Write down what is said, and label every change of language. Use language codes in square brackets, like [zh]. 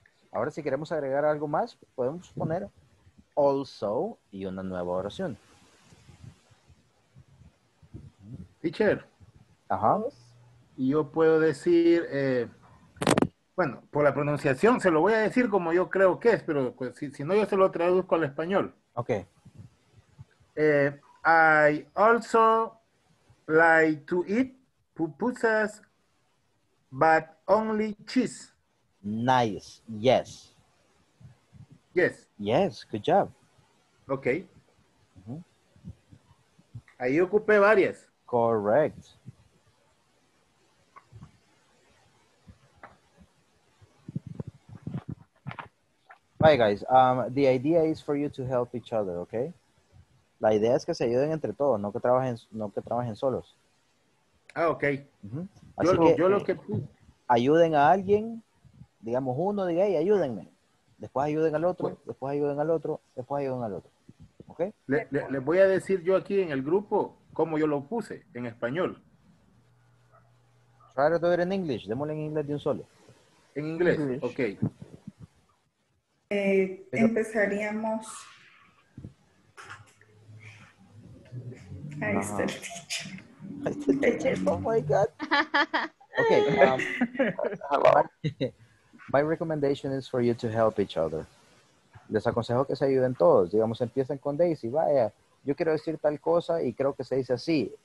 [es] Ahora, si queremos agregar algo más, podemos poner also y una nueva oración. [en] Teacher. Ajá. [es] Yo puedo decir, bueno, por la pronunciación se lo voy a decir como yo creo que es, pero pues, si no, yo se lo traduzco al español. Ok. [en] I also like to eat pupusas, but only cheese. Nice. Yes. Yes. Yes. Good job. [es] Okay. Mm-hmm. Ahí ocupé varias. [en] Correct. Bye, guys. The idea is for you to help each other, okay? [es] La idea es que se ayuden entre todos, no que trabajen solos. Ah, okay. Mm-hmm. Así yo lo que... Ayuden a alguien... Digamos, uno diga, hey, ayúdenme. Después ayuden al otro, bueno. Después ayuden al otro, después ayuden al otro. ¿Ok? Les voy a decir yo aquí en el grupo cómo yo lo puse en español. [en] Try to do it in English. [es] Démosle en inglés de un solo. En inglés, English. Ok. Empezaríamos. Ahí está el teacher. [en] Oh, my God. Ok. My recommendation is for you to help each other. [es] Les aconsejo que se ayuden todos. Digamos, empiecen con Daisy. Vaya, yo quiero decir tal cosa y creo que se dice así.